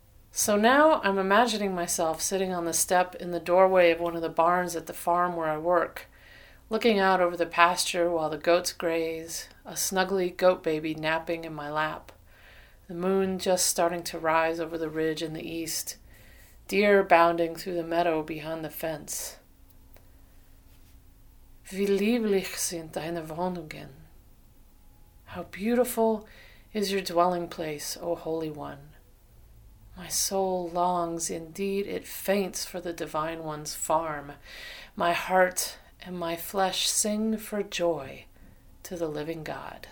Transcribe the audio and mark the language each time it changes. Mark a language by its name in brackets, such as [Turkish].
[English] So now I'm imagining myself sitting on the step in the doorway of one of the barns at the farm where I work, looking out over the pasture while the goats graze, a snuggly goat baby napping in my lap, the moon just starting to rise over the ridge in the east, deer bounding through the meadow behind the fence. [German] Wie lieblich sind deine Wohnungen. [English] How beautiful is your dwelling place, O Holy One. My soul longs, indeed it faints for the Divine One's farm. My heart and my flesh sing for joy to the living God.